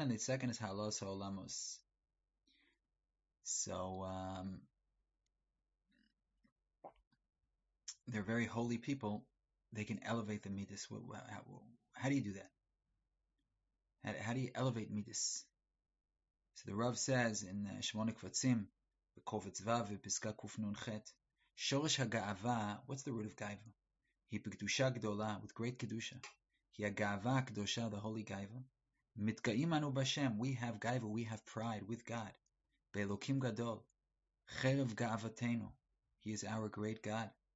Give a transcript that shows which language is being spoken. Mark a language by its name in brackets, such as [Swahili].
[English] And the second is Halos Olamos. So they're very holy people. They can elevate the Midas. How do you do that? How do you elevate Midas? So the Rav says in Shemona Kvatzim, [Hebrew] בקובץ ו' ופסקה קופנון ח' שורש הגאווה, [English] what's the root of גאיבה? [Hebrew] היא בקדושה גדולה, [English] with great [Hebrew] קדושה. היא הגאווה הקדושה, [English] the holy [Hebrew] גאיבה. מתגאים אנו בשם, [English] we have גאיבה, we have pride with God. [Hebrew] באלוקים גדול, חרב גאוותנו, [English] he is our great God.